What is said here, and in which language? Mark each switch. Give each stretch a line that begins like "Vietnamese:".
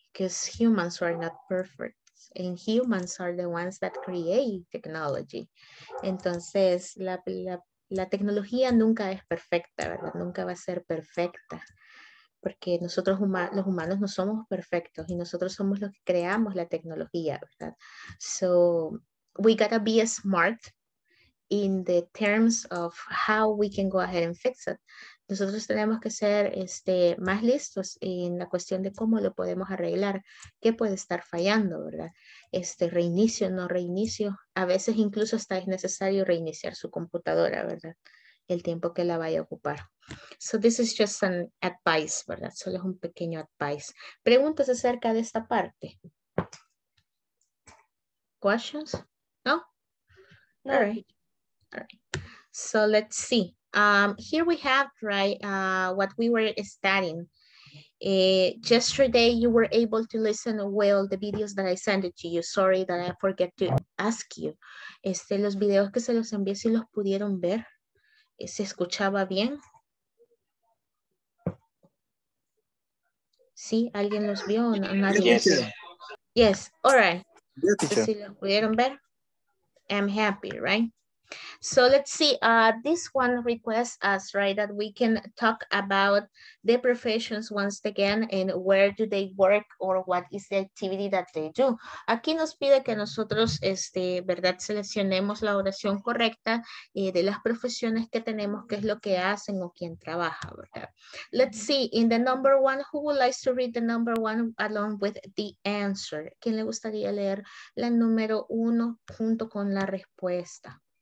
English: Because humans are not perfect, and humans are the ones that create technology.
Spanish: Entonces, la tecnología nunca es perfecta, ¿verdad? Nunca va a ser perfecta, porque nosotros los humanos no somos perfectos, y nosotros somos los que creamos la tecnología, ¿verdad?
English: So, we gotta be smart in the terms of how we can go ahead and fix it.
Spanish: Nosotros tenemos que ser más listos en la cuestión de cómo lo podemos arreglar, qué puede estar fallando, ¿verdad? Reinicio, no reinicio. A veces incluso hasta es necesario reiniciar su computadora, ¿verdad? El tiempo que la vaya a ocupar.
English: So this is just an advice,
Spanish: ¿verdad? Solo es un pequeño advice. ¿Preguntas acerca de esta parte?
English: ¿Questions? No? All right. So let's see. Here we have, right, what we were studying. Yesterday, you were able to listen well the videos that I sent it to you. Sorry that I forget to ask you.
Spanish: Los videos que se los envié, si los pudieron ver, ¿se escuchaba bien? ¿Sí? ¿Alguien los vio? ¿O no? ¿Nadie?
English: Yes. Yes, all right. Yes,
Spanish: ¿sí los pudieron ver?
English: I'm happy, right? So let's see, this one requests us, right, that we can talk about the professions once again and where do they work or what is the activity that they do.
Spanish: Aquí nos pide que nosotros, verdad, seleccionemos la oración correcta de las profesiones que tenemos, qué es lo que hacen o quién trabaja, ¿verdad?
English: Let's see, in the number one, who would like to read the number one along with the answer?
Spanish: ¿Quién le gustaría leer la número uno junto con la respuesta?